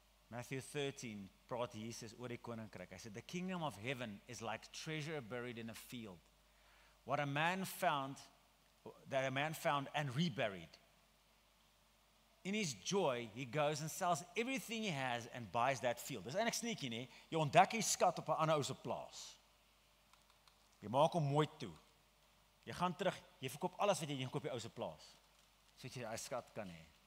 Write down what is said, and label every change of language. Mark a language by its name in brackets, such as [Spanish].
[Afrikaans] Matthew 13, praat Jesus oor die koninkryk. Hy sê, [English] the kingdom of heaven is like treasure buried in a field. What a man found, that a man found and reburied. In his joy, he goes and sells everything he has and buys that field. [Afrikaans] Dis eintlik sneaky, nie? Jy ontdek jy skat op 'n ander ou se plaas. Jy maak hom mooi toe. Jy gaan terug, jy verkoop alles wat jy het en koop die ou se plaas. Sodat jy daai skat kan hê.